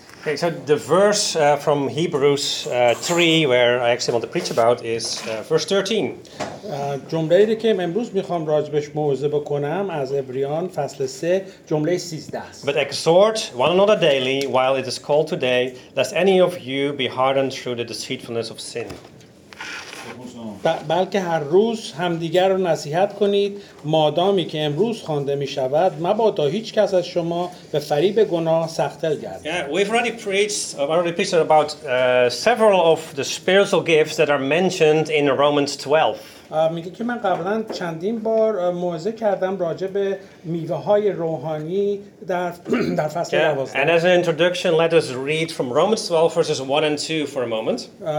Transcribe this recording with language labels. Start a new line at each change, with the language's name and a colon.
English: Okay, so the verse from Hebrews 3, where I actually want to preach about, is verse 13.
Persian: جمله‌ای که من امروز می‌خوام راجبش موعظه بکنم از عبریان فصل 3 جمله 13 است.
English: But exhort one another daily while it is called today, lest any of you be hardened through the deceitfulness of sin.
Persian: بلکه هر روز همدیگر رو نصیحت کنید مادامی که امروز خوانده می شود مبادا هیچ کس از شما به فریب گناه سختل گردد.
English: Yeah, we've already preached about several of the spiritual gifts that are mentioned in Romans 12.
Persian: میگه که من قبلا چندین بار موعظه کردم راجع به میوه های روحانی در فصل 12.
English: And as an introduction, let us read from Romans 12 verses 1 and 2 for a moment.